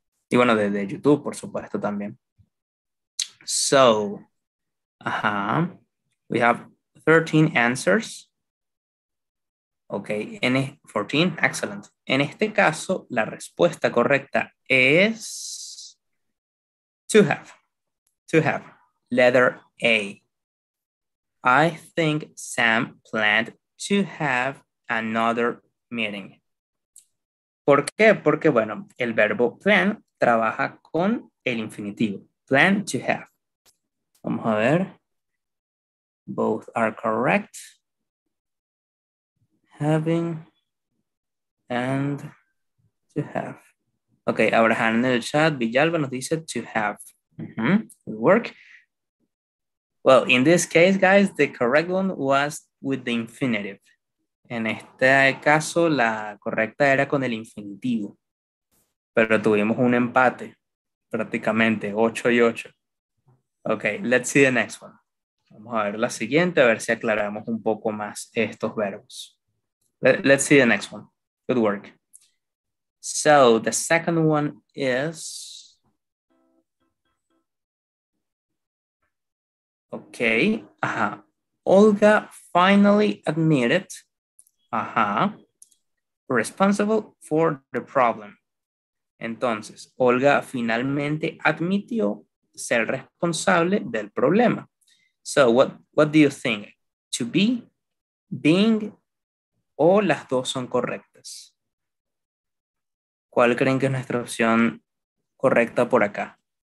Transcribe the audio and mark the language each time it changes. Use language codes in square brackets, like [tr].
[es] Y bueno, de YouTube, por supuesto, también. [en] So, we have 13 answers. Okay, 14, excellent. [es] En este caso, la respuesta correcta es to have. [en] Letter A. I think Sam planned to have another meeting. [es] ¿Por qué? Porque, bueno, el verbo plan trabaja con el infinitivo. [en] Plan to have. [es] Vamos a ver. [en] Both are correct. having and to have. [es] Ok, Abraham en el chat, Villalba nos dice to have. Mm-hmm. [en] It work. Well, in this case, guys, the correct one was with the infinitive. [es] En este caso, la correcta era con el infinitivo. Pero tuvimos un empate, prácticamente, 8 y 8. [en] Ok, let's see the next one. [es] Vamos a ver la siguiente, a ver si aclaramos un poco más estos verbos. [en] Let's see the next one. Good work. So, the second one is... Okay, Olga finally admitted, responsible for the problem. [es] Entonces, Olga finalmente admitió ser responsable del problema. [en] So, what do you think? To be, being, [es] o las dos son correctas? ¿Cuál creen que es nuestra opción correcta por acá?